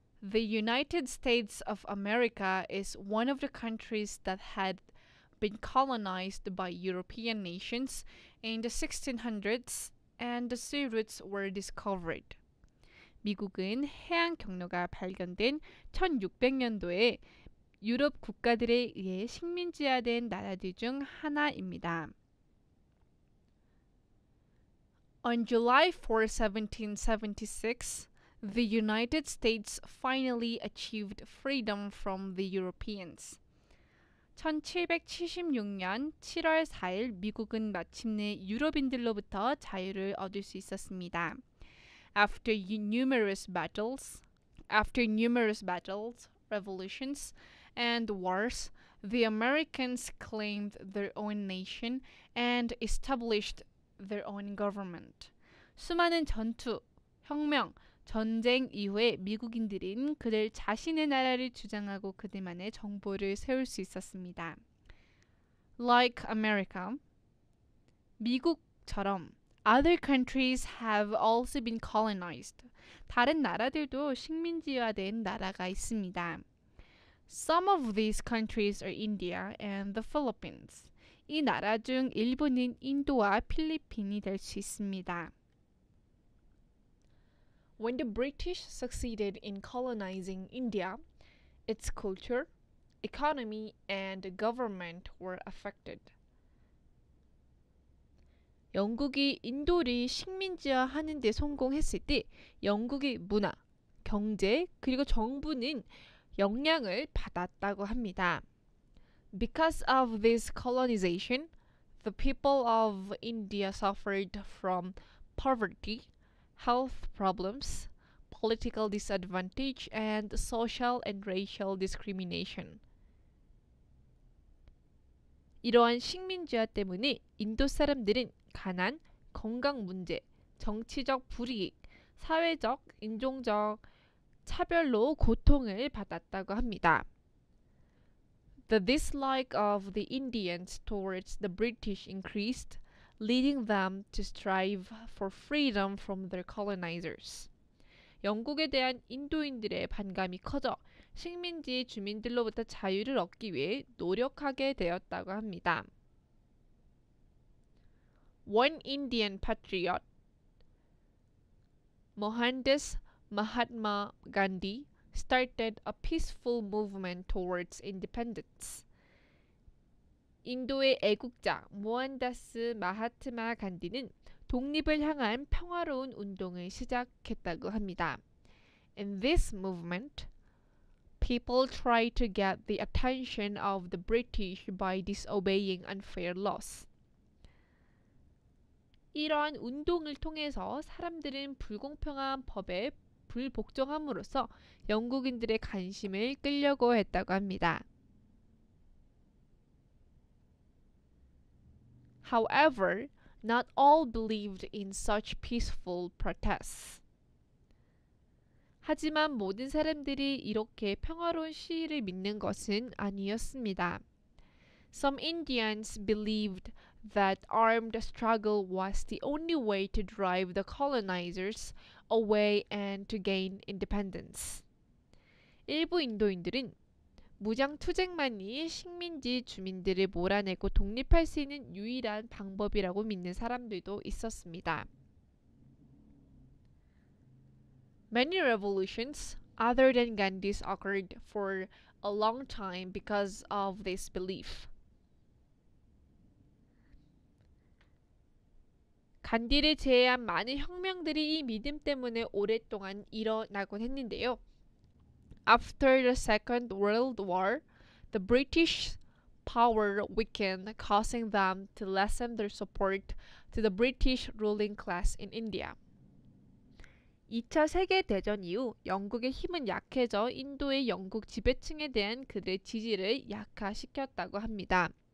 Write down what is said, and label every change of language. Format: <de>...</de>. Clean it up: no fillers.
<en>The United States of America is one of the countries that had been colonized by European nations in the 1600s and the sea routes were discovered.</en> <ko>미국은 해양 경로가 발견된 1600년도에 유럽 국가들에 의해 식민지화된 나라들 중 하나입니다.</ko> <en>On July 4, 1776, the United States finally achieved freedom from the Europeans.</en> <ko>1776년 7월 4일 미국은 마침내 유럽인들로부터 자유를 얻을 수 있었습니다.</ko> <en>After numerous battles, revolutions, and wars, the Americans claimed their own nation and established their own government.</en> <ko>수많은 전투, 혁명, 전쟁 이후에 미국인들은 그들 자신의 나라를 주장하고 그들만의 정부를 세울 수 있었습니다.</ko> <en>Like America,</en> <ko>미국처럼</ko> <en>other countries have also been colonized.</en> <ko>다른 나라들도 식민지화된 나라가 있습니다.</ko> <en>Some of these countries are India and the Philippines.</en> <ko>이 나라 중 일부는 인도와 필리핀이 될 수 있습니다.</ko> <en>When the British succeeded in colonizing India, its culture, economy, and government were affected.</en> <ko>영국이 인도를 식민지화하는 데 성공했을 때 영국의 문화, 경제, 그리고 정부는 영향을 받았다고 합니다.</ko> <en>Because of this colonization, the people of India suffered from poverty, health problems, political disadvantage, and social and racial discrimination.</en> <ko>이러한 식민지화 때문에 인도 사람들은 가난, 건강 문제, 정치적 불이익, 사회적, 인종적 차별로 고통을 받았다고 합니다.</ko> <en>The dislike of the Indians towards the British increased, leading them to strive for freedom from their colonizers.</en> <ko>영국에 대한 인도인들의 반감이 커져 식민지 주민들로부터 자유를 얻기 위해 노력하게 되었다고 합니다.</ko> <en>One Indian patriot, Mohandas Mahatma Gandhi, started a peaceful movement towards independence.</en> <ko>인도의 애국자 모한다스 마하트마 간디는 독립을 향한 평화로운 운동을 시작했다고 합니다.</ko> <en>In this movement, people tried to get the attention of the British by disobeying unfair laws.</en> <ko>이러한 운동을 통해서 사람들은 불공평한 법에 불복종함으로써 영국인들의 관심을 끌려고 했다고 합니다.</ko> <en>However, not all believed in such peaceful protests.</en> <ko>하지만 모든 사람들이 이렇게 평화로운 시위를 믿는 것은 아니었습니다.</ko> <en>Some Indians believed that armed struggle was the only way to drive the colonizers away and to gain independence.</en> <ko>일부 인도인들은 무장 투쟁만이 식민지 주민들을 몰아내고 독립할 수 있는 유일한 방법이라고 믿는 사람들도 있었습니다.</ko> <en>Many revolutions other than Gandhi's occurred for a long time because of this belief.</en> <ko>간디를 제외한 많은 혁명들이 이 믿음 때문에 오랫동안 일어나곤 했는데요.</ko> <en>After the Second World War, the British power weakened, causing them to lessen their support to the British ruling class in India.</en> <ko>2차 세계 대전 이후 영국의 힘은 약해져 인도의 영국 지배층에 대한 그들의 지지를 약화시켰다고 합니다.</ko>